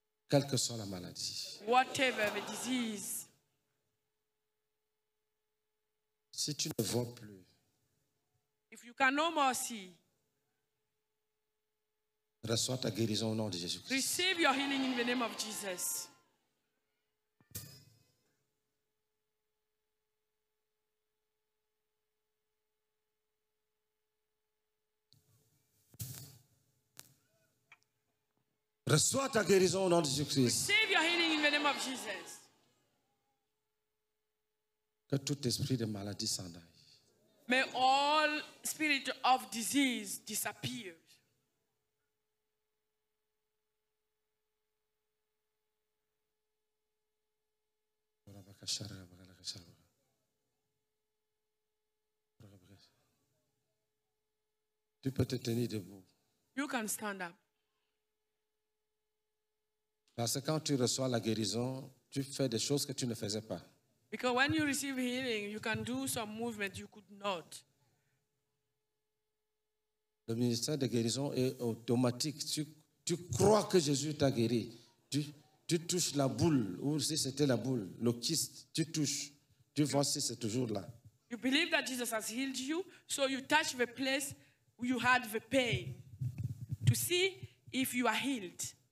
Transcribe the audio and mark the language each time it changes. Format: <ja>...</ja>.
<fr>Quelle que soit la maladie.</fr> <en>Whatever the disease.</en> <fr>Si tu ne vois plus.</fr> <en>If you can no more see.</en> <fr>Reçois ta guérison au nom de Jésus-Christ.</fr> <en>Receive your healing in the name of Jesus.</en> <fr>Reçois ta guérison au nom de Jésus-Christ.</fr> <en>Receive your healing in the name of Jesus.</en> <fr>Que tout esprit de maladie s'en aille.</fr> <en>May all spirit of disease disappear.</en> <fr>Tu peux te tenir debout.</fr> <en>You can stand up.</en> <fr>Parce que quand tu reçois la guérison, tu fais des choses que tu ne faisais pas.</fr> <en>Because when you receive healing, you can do some movement you could not.</en> <fr>Le ministère de guérison est automatique. Tu crois que Jésus t'a guéri. Tu touches la boule, ou si c'était la boule, le kyste, tu touches. Tu vois si c'est toujours là.</fr> <en>You believe that Jesus has healed you, so you touch the place where you had the pain to see if you are healed.</en>